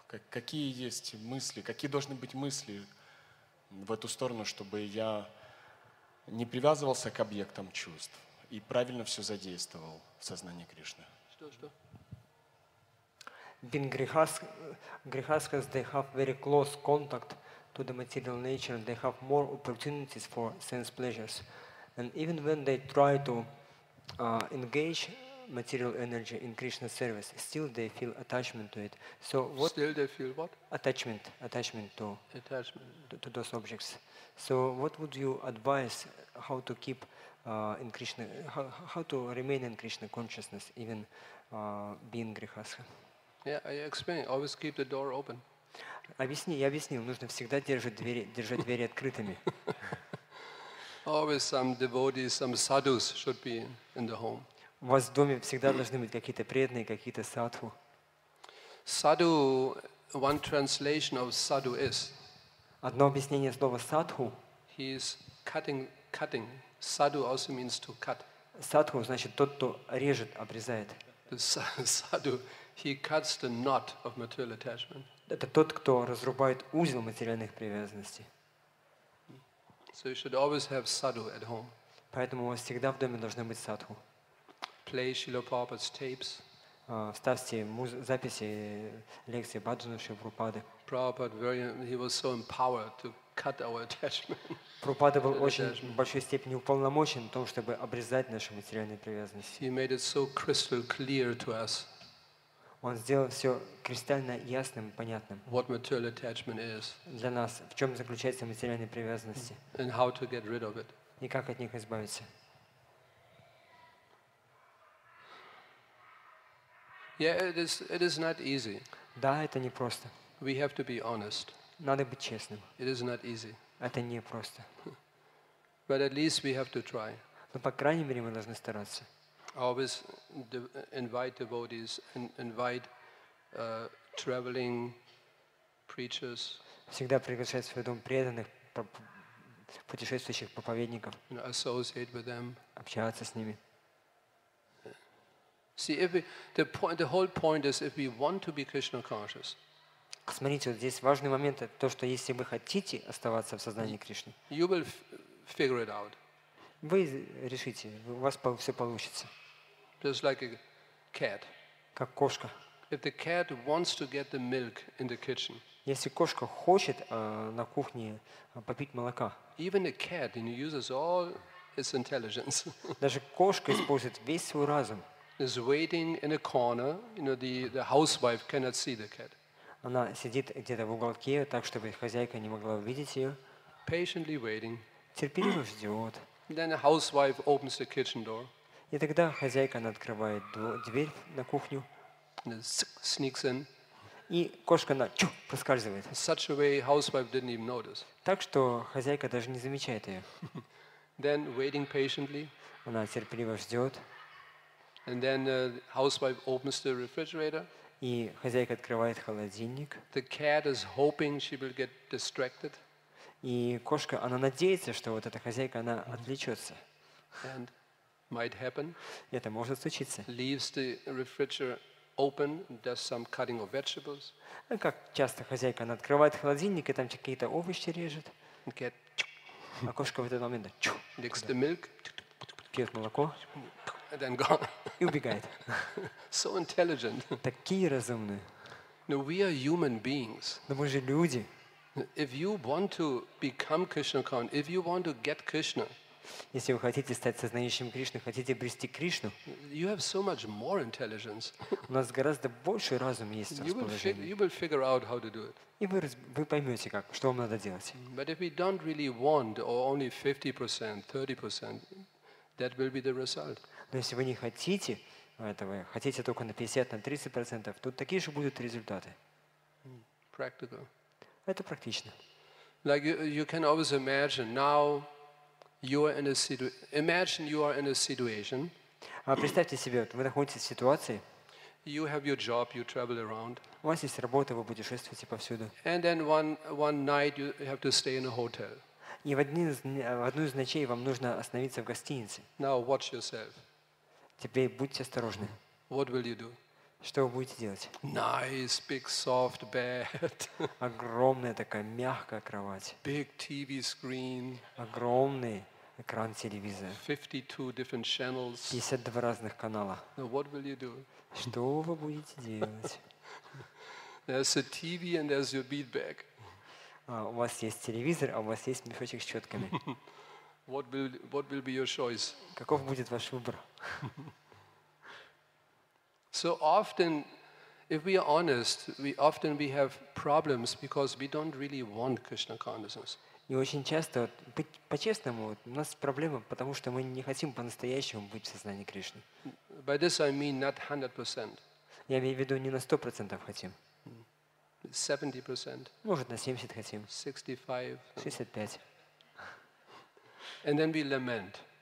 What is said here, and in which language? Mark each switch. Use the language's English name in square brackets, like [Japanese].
[Russian] Какие есть мысли, какие должны быть мысли в эту сторону, чтобы я не привязывался к объектам чувств и правильно все задействовал в сознании Кришны? Что? [English] Грихастха they have very close contact to the material nature, and they have more opportunities for sense pleasures. And even when they try to engage material energy in Krishna service, still they feel attachment to it. So what? Still they feel what? Attachment to those objects. So what would you advise how to keep in Krishna, how to remain in Krishna consciousness, even being grihastha? Yeah, I explain. Always keep the door open. [Russian] Я объяснил, нужно всегда держать двери открытыми. [English] Always some devotees, some sadhus should be in the home. [Russian] У вас в доме всегда должны быть какие-то преданные, какие-то садху. [English] Sadhu, one translation of sadhu is. [Russian] Одно объяснение слова садху. [English] He is cutting. Sadhu also means to cut. [Russian] Садху значит тот, кто режет, обрезает. [English] Sadhu, he cuts the knot of material attachment. [Russian] Это тот, кто разрубает узел материальных привязанностей. [English] So you should always have sadhu at home. [Russian] Поэтому у вас всегда в доме должны быть садху. [English] Play Shilopapa's tapes. [Russian] ставьте записи лекции Бхаджана Шривупады. Прабхупада был очень в большой степени уполномочен в том, чтобы обрезать наши материальные привязанности. Он сделал все кристально ясным, понятным [English] what material attachment is, [Russian] для нас, в чем заключается материальная привязанность [English] and how to get rid of it. [Russian] И как от них избавиться. [English] Yeah, it is not easy. [Russian] Да, это непросто. [English] We have to be honest. [Russian] Надо быть честным. [English] It is not easy. [Russian] Это непросто. [English] But at least we have to try. [Russian] Но, по крайней мере, мы должны стараться. [English] I always invite devotees and invite traveling preachers. [Russian] Всегда приглашаю в свой дом преданных путешествующих проповедников. [English] Associate with them. [Russian] Общаться с ними. [English] See, if we, the whole point is if we want to be Krishna conscious. [Russian] Смотрите, вот здесь важный момент, то, что если вы хотите оставаться в сознании Кришны, [English] you will figure it out. [Russian] Вы решите, у вас все получится. [English] Just like a cat. [Russian] Как кошка. [English] If the cat wants to get the milk in the kitchen. [Russian] Если кошка хочет на кухне попить молока. [English] Even a cat, and it uses all its intelligence. [Russian] Даже кошка использует весь свой разум. [English] Is waiting in a corner. You know, the housewife cannot see the cat. [Russian] Она сидит где-то в уголке, так чтобы хозяйка не могла увидеть ее. [English] Patiently waiting. [Russian] Терпеливо ждет. [English] Then the housewife opens the kitchen door. [Russian] И тогда хозяйка она открывает дверь на кухню. [English] Sneaks in. [Russian] И кошка на чух проскальзывает. [English] In such a way, housewife didn't even notice. [Russian] Так что хозяйка даже не замечает ее. [English] Then waiting patiently. [Russian] Она терпеливо ждет. [English] And then the housewife opens the refrigerator. [Russian] И хозяйка открывает холодильник. [English] The cat is hoping she will get distracted. [Russian] И кошка, она надеется, что вот эта хозяйка, она отвлечется. [English] And might happen. [Russian] Это может случиться. [English] Leaves the refrigerator open, does some cutting of vegetables. [Russian] Как часто хозяйка, она открывает холодильник и там какие-то овощи режет. [English] Cat. [Russian] А кошка в этот момент чух. [English] Licks the milk. [Russian] Пьет молоко. [English] And then gone. [Russian] И убегает. [English] So intelligent. [Russian] Такие разумные. [English] No, we are human beings. [Russian] Но мы же люди. [English] If you want to become Krishna conscious, if you want to get Krishna, [Russian] если вы хотите стать сознающим Кришны, хотите обрести Кришну, [English] you have so much more intelligence. [Russian] У нас гораздо больше разум есть. [English] You will figure out how to do it. [Russian] И вы поймете, как, что вам надо делать. [English] But if we don't really want, or only 50%, 30%, that will be the result. [Russian] Но если вы не хотите этого, хотите только на 50, на 30%, то такие же будут результаты. [English] Practical. [Russian] Это практично. [English] Like you can always imagine now you are in a situation. Imagine you are in a situation. [Russian] А представьте себе, вы находитесь в ситуации. [English] You have your job, you travel around. [Russian] У вас есть работа, вы путешествуете повсюду. [English] And then one night you have to stay in a hotel. [Russian] И в одну из ночей вам нужно остановиться в гостинице. [English] Now watch yourself. [Russian] Теперь будьте осторожны. [English] What will you do? [Russian] Что вы будете делать? [English] Nice big soft bed. [Russian] Огромная такая мягкая кровать. [English] Big TV screen. [Russian] Огромный экран телевизора. [English] 52 different channels. [Russian] 52 разных канала. [English] Now what will you do? [Russian] Что вы будете делать? [English] There's a TV and there's your beadbag. [Russian] У вас есть телевизор, а у вас есть мешочек с четками. [English] What will be your choice? [Russian] Каков будет ваш выбор? [English] So often, if we are honest, we have problems because we don't really want Krishna consciousness. [Russian] И очень часто, по-честному, у нас проблема, потому что мы не хотим по-настоящему быть в сознании Кришны. [English] By this I mean not 100%. [Russian] Я имею в виду не на 100% хотим. [English] 70%. [Russian] Может, на 70 хотим. [English] 65. And then we lament.